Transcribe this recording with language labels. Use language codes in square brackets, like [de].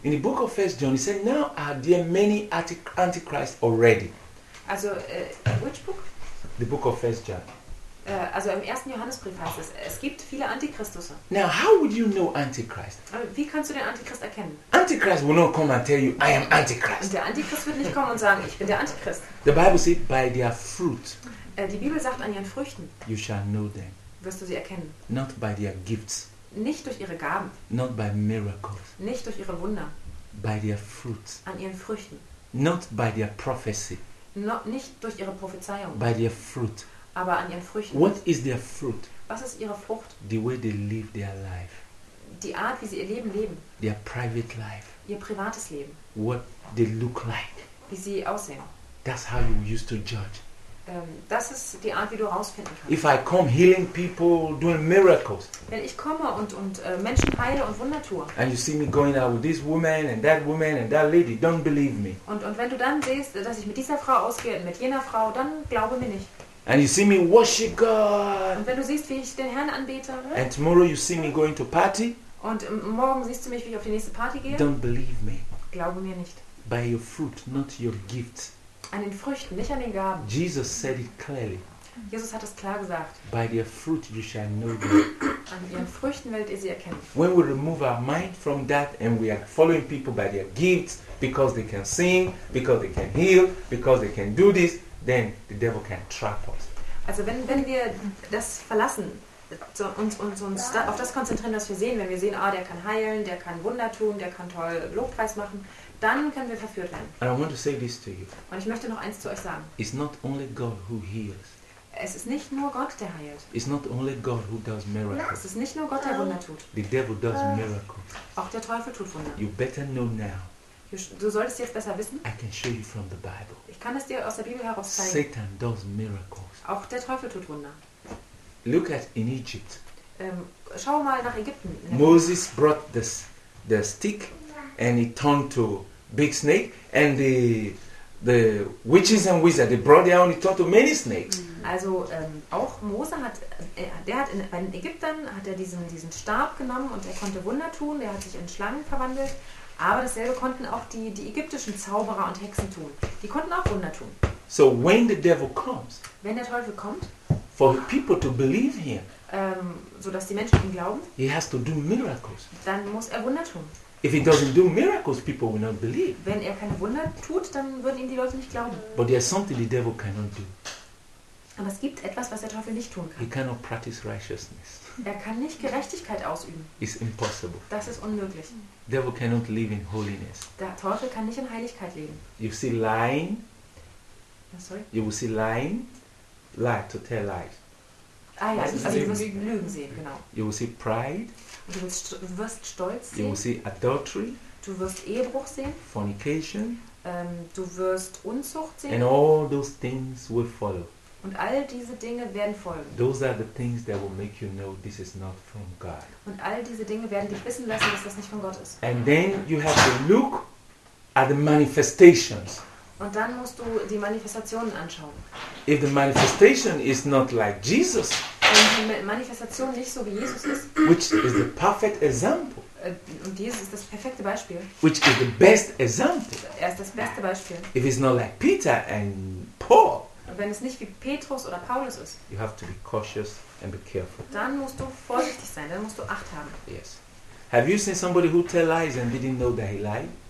[en] In the book of 1 John, it says, now are there many Antichrists already. Also, which book? The book of 1 John. [de] Also im ersten Johannesbrief heißt es, es gibt viele Antichristusse. [en] Now, how would you know Antichrist? [de] Wie kannst du den Antichrist erkennen? [en] Antichrist will not come and tell you, I am Antichrist. [de] Der Antichrist wird nicht kommen und sagen, ich bin der Antichrist. [en] The Bible says, by their fruit. [de] Die Bibel sagt, an ihren Früchten. [en] You shall know them. [de] Wirst du sie erkennen? [en] Not by their gifts. [de] Nicht durch ihre Gaben. [en] Not by miracles. [de] Nicht durch ihre Wunder. [en] By their fruits. [de] An ihren Früchten. [en] Not by their prophecy. [de] Nicht durch ihre Prophezeiung. [en] By their fruit. [de] Aber an ihren Früchten. [en] What is their fruit? [de] Was ist ihre Frucht? [en] The way they live their life. [de] Die Art, wie sie ihr Leben leben. [en] Their private life. [de] Ihr privates Leben. [en] What they look like. [de] Wie sie aussehen. [en] That's how you used to judge. [de] Das ist die Art, wie du rausfinden kannst. [en] If I come healing people, doing miracles. [de] Wenn ich komme und Menschen heile und Wunder tue. [en] And you see me going out with this woman and that woman and that lady, don't believe me. [de] Und wenn du dann siehst, dass ich mit dieser Frau ausgehe und mit jener Frau, dann glaube mir nicht. [en] And you see me worship God. [de] Und wenn du siehst, wie ich den Herrn anbete. [en] And tomorrow you see me going to party. [de] Und morgen siehst du mich, wie ich auf die nächste Party gehe. [en] Don't believe me. [de] Glaube mir nicht. [en] By your fruit, not your gifts. [de] An den Früchten, nicht an den Gaben. [en] Jesus said it clearly. [de] Jesus hat es klar gesagt. [en] By their fruit you shall know them. [de] An ihren Früchten werdet ihr sie erkennen. [en] When we remove our mind from that and we are following people by their gifts, because they can sing, because they can heal, because they can do this, then the devil can trap us. [de] Also wenn wir das verlassen, uns auf das konzentrieren, was wir sehen, wenn wir sehen, der kann heilen, der kann Wunder tun, der kann toll Lobpreis machen. Dann können wir verführt werden. [en] And I want to say this to you. [de] Und ich möchte noch eins zu euch sagen. [en] It's not only God who heals. [de] Es ist nicht nur Gott, der heilt. [en] It's not only God who does miracles. [de] Es ist nicht nur Gott, der Wunder tut. [en] The devil does miracles. [de] Auch der Teufel tut Wunder. [en] You better know now. [de] Du solltest jetzt besser wissen. [en] I can show you from the Bible. [de] Ich kann es dir aus der Bibel heraus zeigen. [en] Satan does miracles. [de] Auch der Teufel tut Wunder. [en] Look at in Egypt. [de] Schau mal nach Ägypten. [en] Moses brought the stick. And he turned to big snake, and the witches and wizards, they brought their own, he turned to many snakes. [de] Also auch Mose hat, der hat bei den Ägyptern hat er diesen Stab genommen und er konnte Wunder tun. Der hat sich in Schlangen verwandelt. Aber dasselbe konnten auch die ägyptischen Zauberer und Hexen tun. Die konnten auch Wunder tun. [en] So when the devil comes, [de] wenn der Teufel kommt, [en] for people to believe him, [de] so dass die Menschen ihm glauben, [en] he has to do miracles. [de] Dann muss er Wunder tun. [en] If he doesn't do miracles, people will not believe. [de] Wenn er keine Wunder tut, dann würden ihm die Leute nicht glauben. [en] But there is something the devil cannot do. [de] Aber es gibt etwas, was der Teufel nicht tun kann. [en] He cannot practice righteousness. [de] Er kann nicht Gerechtigkeit ausüben. [en] It's impossible. [de] Das ist unmöglich. [en] Devil cannot live in holiness. [de] Der Teufel kann nicht in Heiligkeit leben. [en] You see lying. Sorry. You will see lying. Lie to tell lies. [de] Ah ja, also du wirst Lügen sehen, genau. [en] You will see pride. [de] Du wirst stolz sehen. [en] You will see adultery. [de] Du wirst Ehebruch sehen. [en] Fornication. [de] Du wirst Unzucht sehen. [en] And all those things will follow. [de] Und all diese Dinge werden folgen. [en] Those are the things that will make you know this is not from God. [de] Und all diese Dinge werden dich wissen lassen, dass das nicht von Gott ist. [en] And then you have to look at the manifestations. [de] Und dann musst du die Manifestationen anschauen. [en] If the manifestation is not like Jesus, [de] wenn die Manifestation nicht so wie Jesus ist, [en] which is the perfect example, [de] und Jesus ist das perfekte Beispiel, [en] which is the best example, [de] er ist das beste Beispiel, [en] if it's not like Peter and Paul, [de] und wenn es nicht wie Petrus oder Paulus ist, [en] you have to be cautious and be careful. [de] Dann musst du vorsichtig sein, dann musst du Acht haben. [en] Yes. Have you seen somebody who tell lies and didn't know that he lied?